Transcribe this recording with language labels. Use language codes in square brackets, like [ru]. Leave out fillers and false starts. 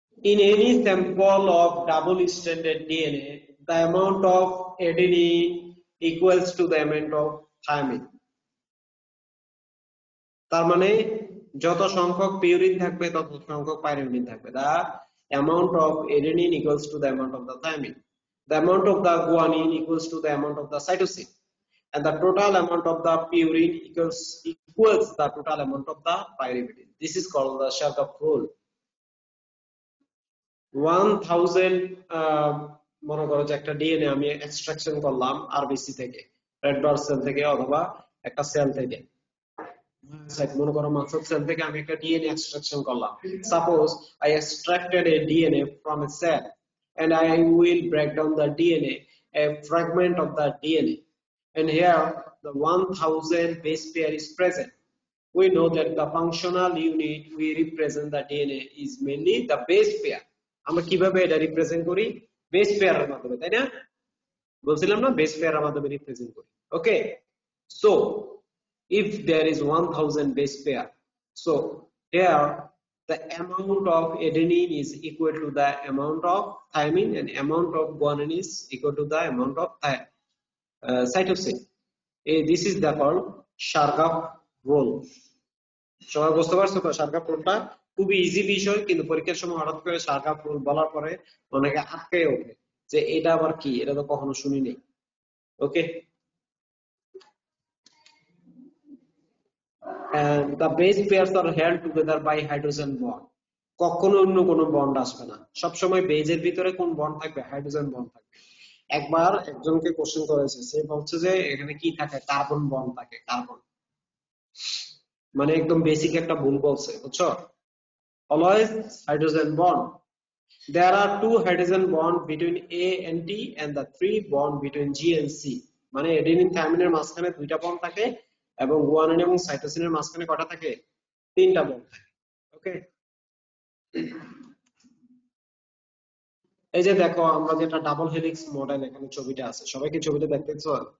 [en] in any sample of double stranded DNA the amount of adenine equals to the amount of thymine, [bn] তার মানে যত সংখ্যক purine থাকবে তত সংখ্যক পাইরিমিডিন থাকবে। [en] The amount of adenine equals to the amount of the thymine, the amount of the guanine equals to the amount of the cytosine, and the total amount of the purine equals the total amount of the pyrimidine. This is called the Chernikov rule. [bn] 1000 মনে করো যে একটা DNA আমি extraction করলাম RBC থেকে, red blood cell থেকে, অথবা একটা সেল থেকে, মনে করো মাংসের সেল থেকে আমি একটা ডিএনএ এক্সট্রাকশন করলাম। [en] Suppose I extracted a DNA from a cell and I will break down the DNA, a fragment of the DNA, and here the 1000 base pair is present, we know that the functional unit we represent the DNA is mainly the base pair. [bn] আমরা কিভাবে এটা represent করি? Base পেয়ারের মাধ্যমে, তাই না? বলছিলাম না, বেস পেয়ারের মাধ্যমে রিপ্রেজেন্ট করি। [en] Okay, so if there is 1000 base pair, so there the amount of adenine is equal to the amount of thymine and amount of guanine is equal to the amount of cytosine. This is the called Chargaff rule. [bn] সবাই বুঝতে পারছো তো শার্গাপ রোলটা? খুবই easy বিষয়, কিন্তু পরীক্ষার সময় হঠাৎ করে শার্গাপ রোল বলার পরে অনেকে আটকে ওঠে যে এটা আবার কি, এটা তো কখনো শুনিনি। [en] Okay, the base pairs are held together by hydrogen bond. [bn] কখনো অন্য কোনো বন্ড আসবে না, সবসময় বেজের ভিতরে কোন বন্ড থাকবে? হাইড্রোজেন বন্ড থাকবে। একবার একজনকে কোশ্চেন করেছে, সে বলছে যে এখানে কি থাকে? কার্বন বন্ড থাকে, কার্বন। মানে একদম বেসিক একটা ভুল বলছে, বুঝছো? [en] Always hydrogen bond. There are two hydrogen bond between A and T and the three bond between G and C. [bn] মানে adenine thymine এর মাঝখানে দুইটা বন্ড থাকে এবং guanine এবং cytosine এর মাঝখানে কটা থাকে? তিনটা বন্ড থাকে। ওকে, এই যে দেখো আমরা যেটা ডাবল হেলিক্স মডেল এখানে ছবিতে আছে, সবাই কি ছবিটা দেখতেছো?